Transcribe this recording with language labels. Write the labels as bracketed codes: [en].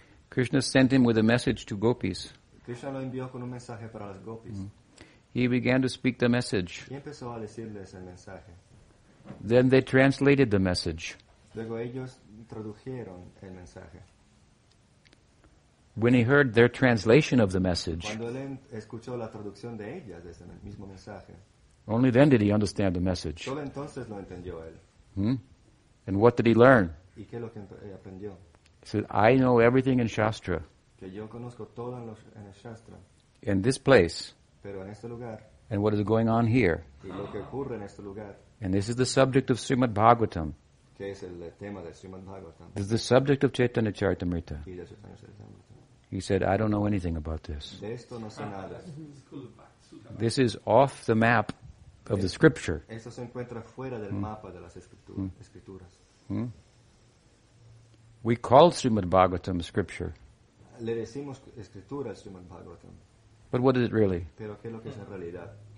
[en] Krishna sent him with a message to gopis. [es] Krishna lo envió con un mensaje para las gopis. [en] He began to speak the message. [es] Y empezó a decirles el mensaje. [en] Then they translated the message. [es] Luego ellos tradujeron el mensaje. [en] When he heard their translation of the message, [es] cuando él escuchó la traducción de ella, de ese mismo mensaje, [en] only then did he understand the message. [es] Solo entonces lo entendió él. [en] And what did he learn? [es] ¿Y qué es lo que aprendió? [en] He said, I know everything in Shastra. [es] Que yo conozco todo en los, en el Shastra. [en] In this place. [es] Pero en este lugar. [en] And what is going on here. [es] Y lo que ocurre en este lugar. [en] And this is the subject of Srimad Bhagavatam. [es] Que es el tema de Srimad Bhagavatam. [en] This is the subject of Chaitanya Charitamrita. [es] Y de Chaitanya Charitamrita. [en] He said, I don't know anything about this. [es] De esto no sé nada. [en] This is off the map of the scripture. [es] Esto se encuentra fuera del mapa de las escrituras. [en] We call Srimad Bhagavatam scripture. [es] Le decimos escritura Srimad Bhagavatam. [en] But what is it really? [es] Pero ¿qué es lo que es en realidad?